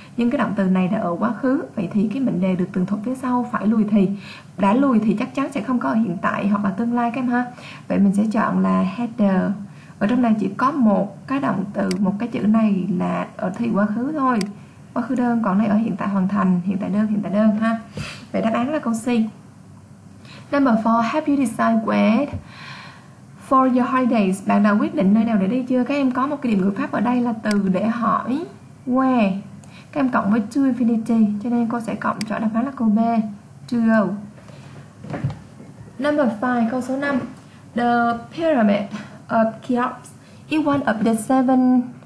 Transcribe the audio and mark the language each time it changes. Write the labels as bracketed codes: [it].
[vi] Nhưng cái động từ này đã ở quá khứ, vậy thì cái mệnh đề được tường thuật phía sau phải lùi thì. Đã lùi thì chắc chắn sẽ không có ở hiện tại hoặc là tương lai các em ha. Vậy mình sẽ chọn là header. Ở trong này chỉ có một cái động từ, một cái chữ này là ở thì quá khứ thôi, quá khứ đơn, còn này ở hiện tại hoàn thành, hiện tại đơn ha. Vậy đáp án là câu C. [en] Number 4, have you decided where for your holidays? [vi] Bạn đã quyết định nơi nào để đi chưa? Các em có một cái điểm ngữ pháp ở đây là từ để hỏi where. Các em cộng với to infinity, cho nên cô sẽ cộng cho đáp án là câu B, to go. [en] Number 5, [vi] câu số 5. [en] The pyramid of Cheops, it one of the seven.